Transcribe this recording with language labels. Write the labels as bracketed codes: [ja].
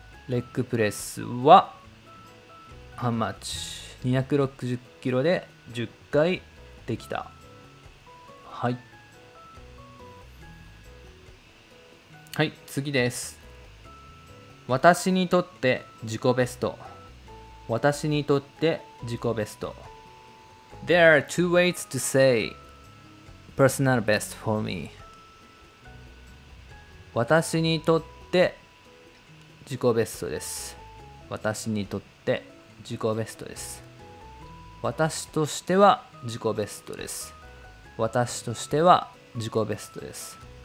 [ja] レッグプレスは [en] How much [ja] 260キロで10回できた。はい、はい、次です。私にとって自己ベスト。私にとって自己ベスト。 [en] There are two ways to say personal best for me. [ja] 私にとって自己ベストです。私にとって自己ベストです。私としては自己ベストです。私としては自己ベストです。